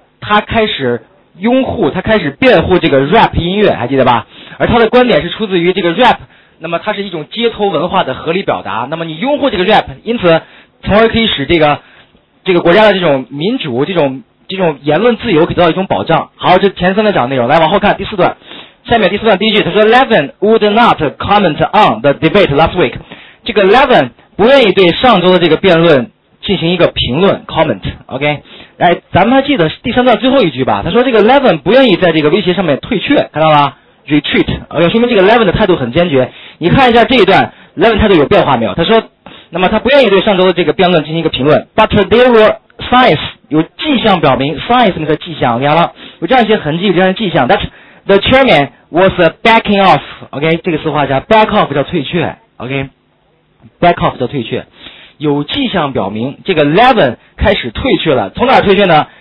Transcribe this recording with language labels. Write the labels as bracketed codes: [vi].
[zh] 他开始拥护，他开始辩护这个 rap 音乐，还记得吧？而他的观点是出自于这个 rap， 那么它是一种街头文化的合理表达。那么你拥护这个 rap， 因此从而可以使这个国家的这种民主、这种言论自由可以得到一种保障。好，这前三段讲的内容，来往后看第四段。下面第四段第一句，他说 [en] Levin would not comment on the debate last week。 [zh] 这个 Levin 不愿意对上周的这个辩论进行一个评论 comment。 OK。哎，咱们还记得第三段最后一句吧，他说这个 Levin 不愿意在这个威胁上面退却，看到吗？ retreat， 说明这个 Levin 的态度很坚决。你看一下这一段 Levin 态度有变化没有，他说那么他不愿意对上周的这个辩论进行一个评论， [en] but there were signs， [zh] 有迹象表明 signs 的迹象，看到有这样一些痕迹，有这样一些迹象， [en] that the chairman was backing off， [zh] OK， 这个词话叫 back off， 叫退却， OK， back off 叫退却，有迹象表明这个 Levin 开始退却了，从哪退却呢？